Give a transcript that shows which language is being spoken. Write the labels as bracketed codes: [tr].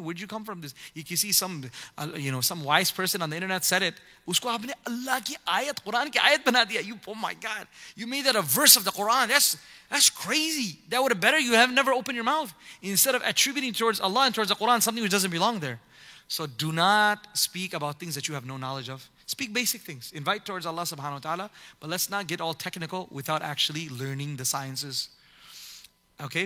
[en] Where'd you come from this? You can see some wise person on the internet said it. [ur] اس کو آپ نے اللہ کی آیت, قرآن کی آیت بنا دیا. [en] You, oh my God. You made that a verse of the Quran. That's crazy. That would have better. You have never opened your mouth. Instead of attributing towards Allah and towards the Quran something which doesn't belong there. So do not speak about things that you have no knowledge of. Speak basic things. Invite towards Allah subhanahu wa ta'ala. But let's not get all technical without actually learning the sciences. Okay?